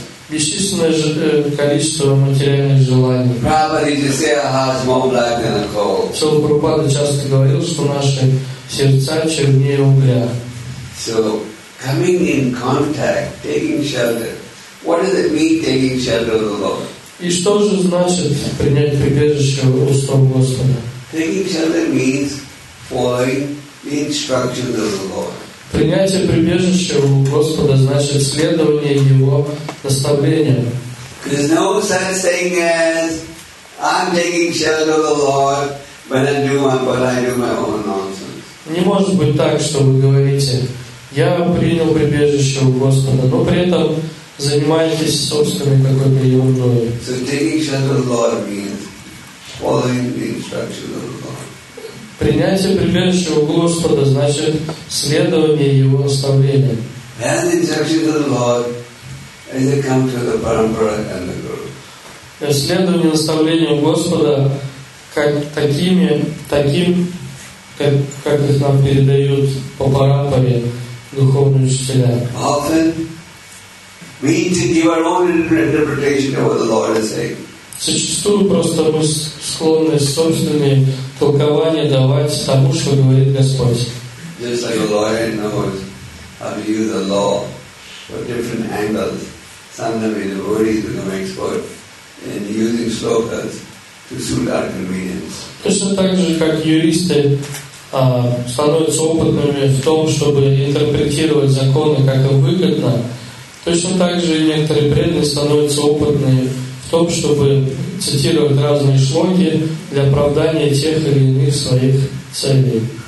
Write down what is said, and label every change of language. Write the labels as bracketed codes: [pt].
[ru] Бесчисленное количество материальных желаний. Прабхупада Прабхупада часто говорил, что наши сердца чернее угля. [en] So coming in contact, taking shelter. What does it mean taking shelter of the Lord? [ru] И что же значит принять прибежище у стоп Господа? [en] Taking shelter means following the instructions of the Lord. [ru] Принятие прибежища у Господа значит следование Его наставлениям. [en] There's no such thing as I'm taking shelter of the Lord, but I do my own nonsense. [ru] Не может быть так, что вы говорите, я принял прибежище у Господа, но при этом занимаетесь собственной какой-то ерундой. [en] So taking shelter of the Lord means following the instructions of the Lord. [ru] Принятие прибежища у Господа значит следование Его наставлениям. [en] As the instructions of the Lord, as they come to the parampara and the guru. [ru] Следование наставлениям Господа как такими, таким, как их нам передают по парампаре духовные учителя. [en] Often we need to give our own interpretation of what the Lord is saying. [ru] Зачастую просто мы склонны собственными толкования давать тому, что говорит Господь. [en] Just like a lawyer knows how to use the law for different angles, sometimes the devotees become expert in using slokas to suit our convenience. [ru] Точно так же, как юристы становятся опытными в том, чтобы интерпретировать законы, как им выгодно, точно так же и некоторые преданные становятся опытными в том, чтобы цитировать разные шлоки для оправдания тех или иных своих целей.